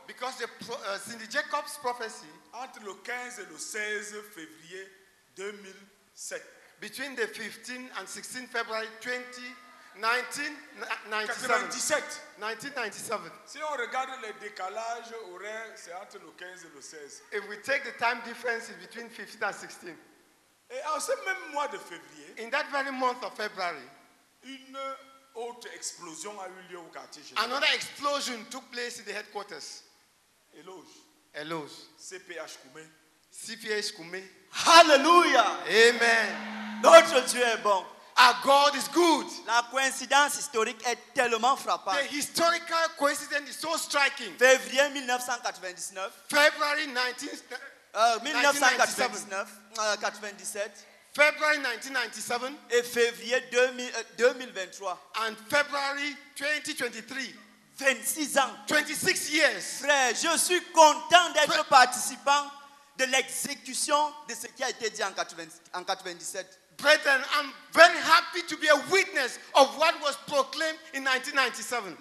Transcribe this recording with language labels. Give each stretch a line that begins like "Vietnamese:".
English: because the Cindy Jacob's prophecy,
French: entre le 15 et le 16 février 2007,
English: between the 15th and 16th February 1997.
French: Si on regarde les décalages horaires, c'est entre le 15 et le 16.
English: If we take the time difference between 15 and 16.
French: Et en ce même mois de février,
English: in that very month of February,
French: une autre explosion a eu lieu au quartier général.
English: Another explosion took place in the headquarters.
French: Éloge.
English: Éloge.
French: CPH Koumé.
English: CPH Koumé.
French: Hallelujah.
English: Amen.
French: Notre Dieu est bon.
English: Our God is good.
French: La coïncidence historique est tellement frappante.
English: The historical coincidence is so striking.
French: Février 1999.
English: February 19.
French: 1997.
English: February 1997.
French: Et février 2023.
English: And February 2023.
French: 26 ans.
English: 26 years.
French: Frère, je suis content d'être participant de l'exécution de ce qui a été dit en 1997.
English: Brethren, I'm very happy to be a witness of what was proclaimed in 1997.